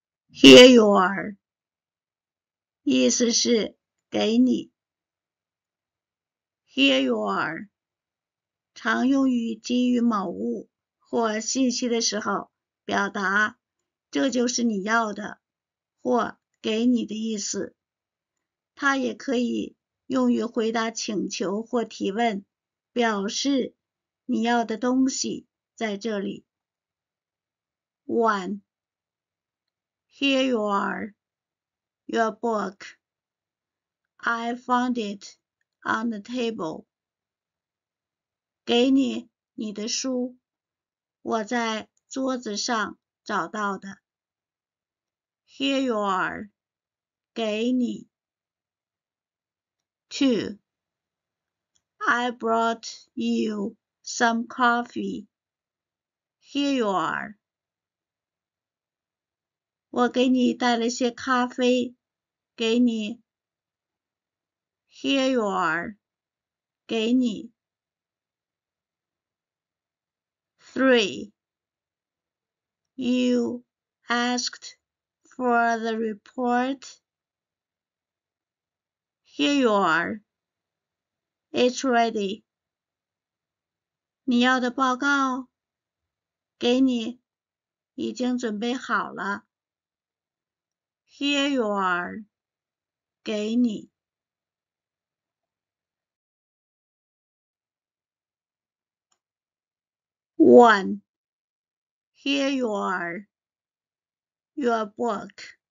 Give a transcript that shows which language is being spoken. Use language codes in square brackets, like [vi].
[en] Here you are. [zh] 意思是给你， [en] Here you are， [zh] 常用于给予某物或信息的时候，表达这就是你要的或给你的意思。它也可以用于回答请求或提问，表示你要的东西在这里。 [en] One, here you are, your book. I found it on the table. [zh] 给你你的书，我在桌子上找到的。 [en] Here you are, [zh] 给你。 [en] Two, I brought you some coffee. Here you are. [zh] 我给你带了些咖啡，给你。 [en] Here you are， [zh] 给你。 [en] 3. You asked for the report. Here you are. It's ready. [zh] 你要的报告，给你，已经准备好了。 [en] Here you are， [zh] 给你。 [en] One，Here you are，your book。